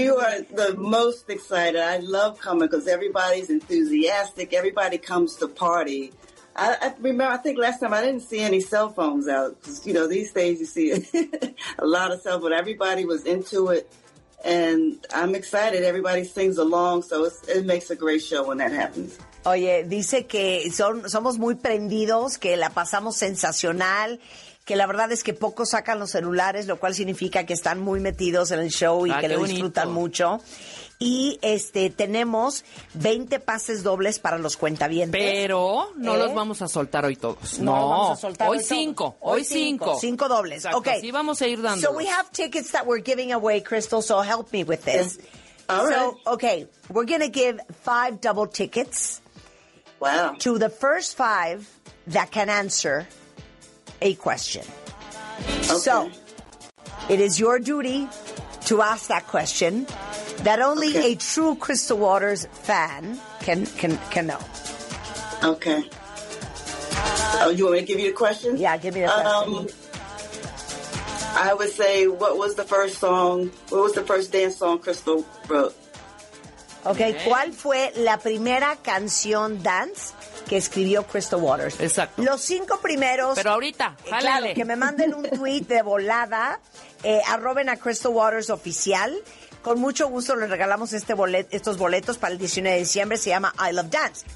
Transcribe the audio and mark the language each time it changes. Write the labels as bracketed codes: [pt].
[en] You are the most excited. I love coming because everybody's enthusiastic. Everybody comes to party. I remember, I think last time I didn't see any cell phones out. Cause, you know, these days you see a lot of cell phones. Everybody was into it. And I'm excited. Everybody sings along. So it makes a great show when that happens. [es] Oye, dice que somos muy prendidos, que la pasamos sensacional, que la verdad es que pocos sacan los celulares, lo cual significa que están muy metidos en el show y que lo disfrutan mucho. Y tenemos 20 pases dobles para los cuentavientes. Pero no los vamos a soltar hoy todos. No, no los vamos a soltar hoy cinco. Cinco dobles. Exacto. Okay. Sí, vamos a ir dando. [en] So we have tickets that we're giving away, Crystal, so help me with this. Yeah. All right. So, okay, we're going to give 5 double tickets. Wow. To the first 5 that can answer a question. Okay. So, it is your duty to ask that question that only a true Crystal Waters fan can know. Okay. Oh, you want me to give you a question? Yeah, give me a question. I would say, what was the first dance song Crystal wrote? [es] Okay, ¿cuál fue la primera canción dance que escribió Crystal Waters? Exacto. Los 5 primeros. Pero ahorita, jálale. Claro, que me manden un tweet de volada, arroben a Crystal Waters oficial. Con mucho gusto les regalamos estos boletos para el 19 de diciembre, se llama I Love Dance.